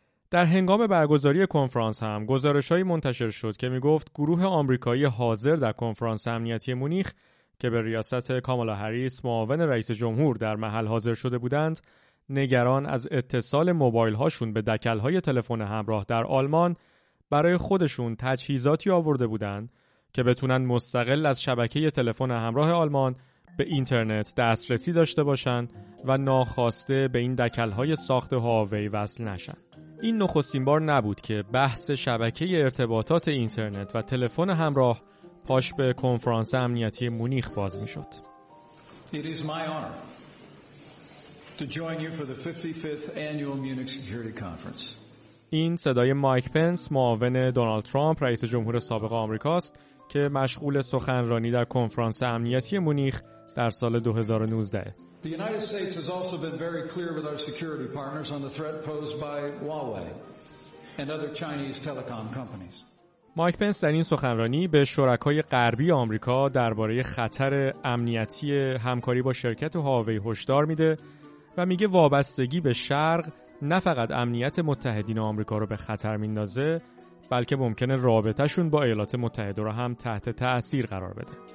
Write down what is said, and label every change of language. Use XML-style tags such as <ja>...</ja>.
<fa>در هنگام برگزاری کنفرانس هم گزارش‌هایی منتشر شد که می‌گفت گروه آمریکایی حاضر در کنفرانس امنیتی مونیخ که به ریاست کامالا هریس معاون رئیس جمهور در محل حاضر شده بودند، نگران از اتصال موبایل‌هاشون به دکل‌های تلفن همراه در آلمان برای خودشون تجهیزاتی آورده بودند که بتونن مستقل از شبکه تلفن همراه آلمان به اینترنت دسترسی داشته باشن و ناخواسته به این دکل‌های ساخت هواوی وصل نشن. این نخستین بار نبود که بحث شبکه ارتباطات اینترنت و تلفن همراه پاش به کنفرانس امنیتی مونیخ باز می‌شد.</fa> <en>It is my honor to join you for the 55th annual Munich Security Conference.</en> <fa>این صدای مایک پنس، معاون دونالد ترامپ، رئیس جمهور سابق آمریکا است که مشغول سخنرانی در کنفرانس امنیتی مونیخ در سال 2019.</fa> <en>The United States has also been very clear with our security partners on the threat posed by Huawei and other Chinese telecom companies.</en> <fa>مایک پنس در این سخنرانی به شرکای غربی آمریکا درباره خطر امنیتی همکاری با شرکت هواوی هشدار میده و میگه وابستگی به شرق نه فقط امنیت متحدین آمریکا رو به خطر میندازه، بلکه ممکنه رابطه شون با ایالات متحده رو هم تحت تأثیر قرار بده.</fa>